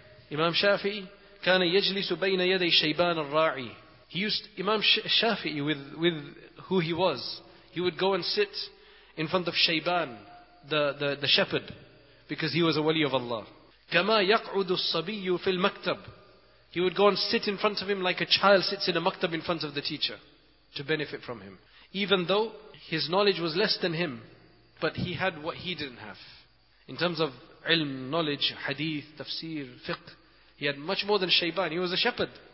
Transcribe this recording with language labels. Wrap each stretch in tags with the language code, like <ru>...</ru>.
<ar>Imam Shafi'i, كان يجلس بين يدي شيبان الراعي.</ar> <en>He used, Imam Shafi'i, with who he was, he would go and sit in front of Shayban, the shepherd, because he was a wali of Allah.</en> <ar>كما يقعد الصبي في المكتب.</ar> <en>He would go and sit in front of him like a child sits in a maktab in front of the teacher, to benefit from him. Even though his knowledge was less than him, but he had what he didn't have. In terms of ilm, knowledge, hadith, tafsir, fiqh, he had much more than Shayban. He was a shepherd.</en>